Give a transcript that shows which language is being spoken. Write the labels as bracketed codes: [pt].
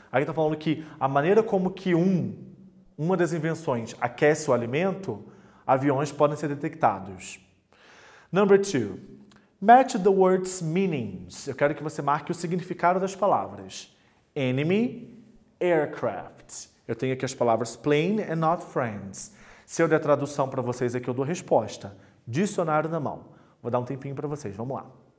[pt] Aí está falando que a maneira como que uma das invenções aquece o alimento, aviões podem ser detectados. [en] Number two, match the words' meanings. [pt] Eu quero que você marque o significado das palavras. Enemy, aircraft. Eu tenho aqui as palavras [en] plane and not friends. [pt] Se eu der tradução para vocês aqui, eu dou resposta. Dicionário na mão. Vou dar um tempinho para vocês. Vamos lá.